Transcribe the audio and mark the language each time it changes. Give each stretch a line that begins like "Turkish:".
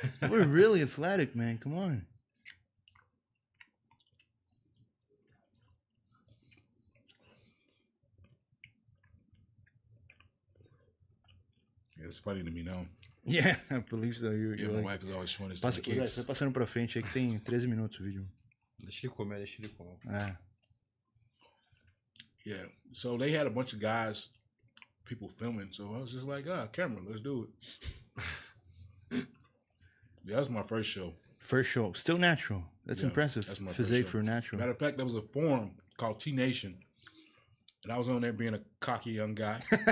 English: We're really athletic, man. Come on. It's funny to me now. Yeah, I believe so. Yeah, my wife is always showing this to the kids.
Portuguese: Vai passando pra frente aí que tem 13 minutos o vídeo. Deixa ele comer. Ah.
English: Yeah, so they had a bunch of guys, people filming, so I was just like, camera, let's do it. Yeah, that was my first show. First show, still natural. That's impressive. That's my physique for natural. Matter of fact, there was a forum called T-Nation, and I was on there being a cocky young guy.